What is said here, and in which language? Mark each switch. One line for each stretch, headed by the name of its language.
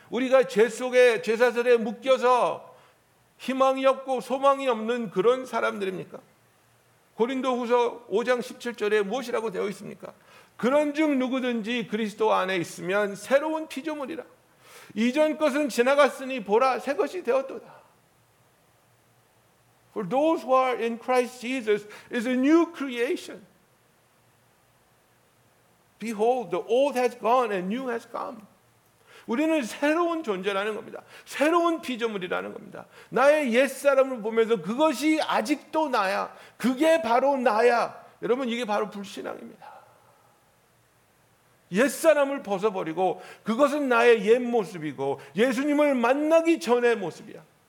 Korean: 우리가 죄 속에 죄사슬에 묶여서 희망이 없고 소망이 없는 그런 사람들입니까? 고린도후서 5장 17절에 무엇이라고 되어 있습니까? 그런즉 누구든지 그리스도 안에 있으면 새로운 피조물이라. 이전 것은 지나갔으니 보라 새것이 되었도다.
English: For those who are in Christ Jesus is a new creation. Behold, the old has gone and new has come.
Korean: 우리는 새로운 존재라는 겁니다. 새로운 피조물이라는 겁니다. 나의 옛사람을 보면서 그것이 아직도 나야. 그게 바로 나야. 여러분 이게 바로 불신앙입니다. 옛사람을 벗어버리고 그것은 나의 옛 모습이고 예수님을 만나기 전의 모습이야.